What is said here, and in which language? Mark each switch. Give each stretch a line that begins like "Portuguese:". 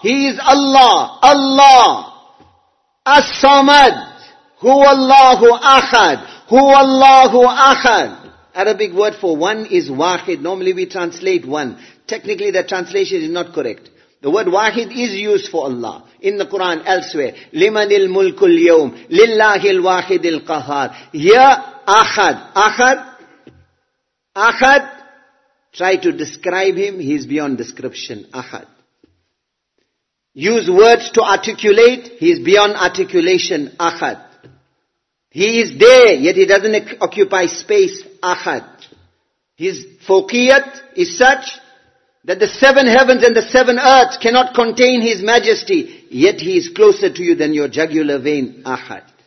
English: He is Allah. Allah. As-Samad. Who Allahu Ahad. Who Allahu Ahad. Arabic word for one is Wahid. Normally we translate one. Technically the translation is not correct. The word Wahid is used for Allah. In the Quran, elsewhere.
Arabic: لِمَنِ الْمُلْكُ الْيَوْمِ لِلَّهِ الْوَاحِدِ الْقَهَارِ Ya Ahad.
English: Ahad. Ahad. Try to describe him. He is beyond description. Ahad. Use words to articulate. He is beyond articulation. Ahad. He is there, yet he doesn't occupy space. Ahad. His fawqiyat is such that the seven heavens and the seven earths cannot contain his majesty, yet he is closer to you than your jugular vein, Ahad.